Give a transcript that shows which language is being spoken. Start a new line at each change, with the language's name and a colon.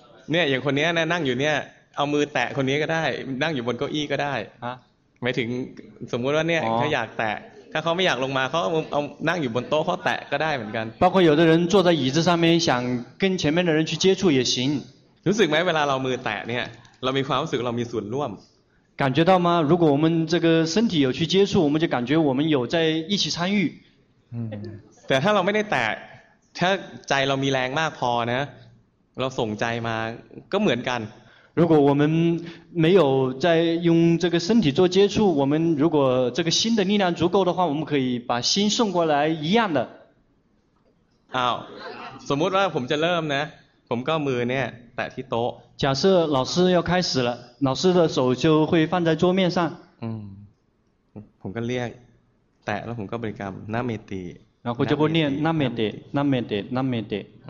Thai: เนี่ยอย่างคนนี้นั่งอยู่เนี่ยเอามือแตะคนนี้ก็ได้นั่งอยู่บนเก้าอี้ก็ได้ หมายถึงสมมติว่าเนี่ยเขาอยากแตะถ้าเขาไม่อยากลงมาเขาเอานั่งอยู่บนโต๊ะเขาแตะก็ได้เหมือนกัน
Chinese: 包括有的人坐在椅子上面想跟前面的人去接触也行
Thai: รู้สึกไหมเวลาเรามือแตะเนี่ยเรามีความรู้สึกเรามีส่วนร่วม
Chinese: 感觉到吗如果我们这个身体有去接触我们就感觉我们有在一起参与
Thai: แต่ถ้าเราไม่ได้แตะถ้าใจเรามีแรงมากพอนะ เราส่งใจมาก็เหมือนกัน
Chinese: 如果我们没有在用这个身体做接触我们如果这个心的力量足够的话我们可以把心送过来一样的
Thai: อ้าวสมมติว่าผมจะเริ่มนะผมก็มือเนี่ยแตะที่โต๊ะ
Chinese: 假设老师要开始了老师的手就会放在桌面上
Thai: ผมก็เรียกแตะแล้วผมก็บริกรรมนาเมติ
Chinese: 然后就会念
Thai: นาเมติ นาเมติ นาเมติ